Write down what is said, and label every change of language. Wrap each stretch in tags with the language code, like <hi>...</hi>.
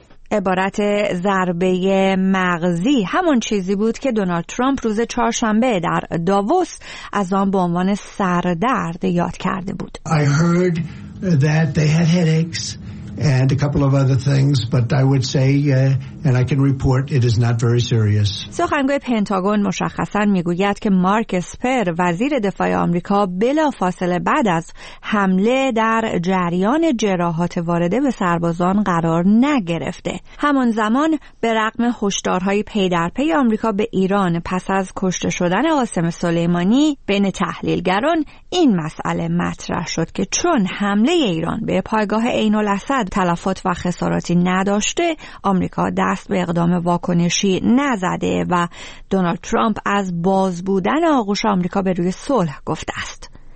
<fa>عبارت ضربه مغزی همون چیزی بود که دونالد ترامپ روز چهارشنبه در داووس از آن به عنوان سردرد یاد کرده بود.</fa> <en>I heard that they had headaches and a couple of other things, but I would say and I can report it is not very serious.</en> <fa>سخنگوی پنتاگون مشخصا میگوید که مارک اسپر وزیر دفاع آمریکا بلافاصله بعد از حمله در جریان جراحات وارده به سربازان قرار نگرفته. همان زمان به رغم هشدارهای پی در پی آمریکا به ایران پس از کشته شدن قاسم سلیمانی، بین تحلیلگران این مسئله مطرح شد که چون حمله ایران به پایگاه عین الاسد تلفات و خساراتی نداشته، آمریکا دست به اقدام واکنشی نزده و دونالد ترامپ از باز بودن آغوش آمریکا به روی صلح گفته است.</fa>